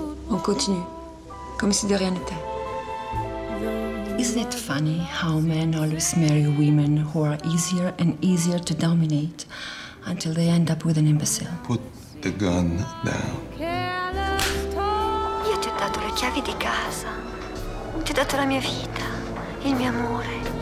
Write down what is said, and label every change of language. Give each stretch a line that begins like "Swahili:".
French: On continue, comme si de rien n'était.
English: Isn't it funny how men always marry women who are easier and easier to dominate until they end up with an imbecile? Put the gun down.
Italian: Io ti ho dato le chiavi di casa. Ti ho dato la mia vita, il mio amore.